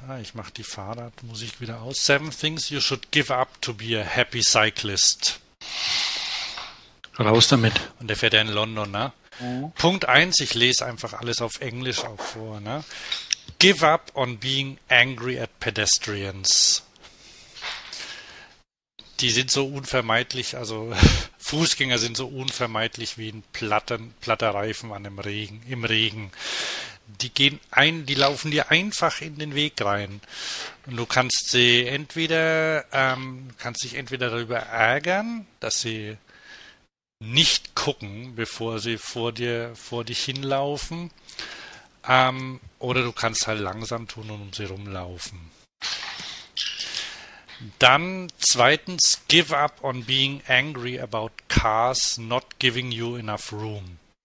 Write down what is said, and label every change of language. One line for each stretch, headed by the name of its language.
German: Ah, ich mache die Fahrradmusik wieder aus.
English: Seven Things you should give up to be a happy cyclist.
German: Raus damit. Und der fährt ja in London, ne? Punkt 1, ich lese einfach alles auf Englisch auch vor, ne?
English: Give up on being angry at pedestrians.
German: Die sind so unvermeidlich, also Fußgänger sind so unvermeidlich wie ein platter Reifen an dem Regen, im Regen. Die laufen dir einfach in den Weg rein. Und du kannst sie entweder, kannst dich entweder darüber ärgern, dass sie nicht gucken, bevor sie vor dich hinlaufen. Oder du kannst halt langsam tun und um sie rumlaufen. Dann zweitens,
English: give up on being angry about cars not giving you enough room.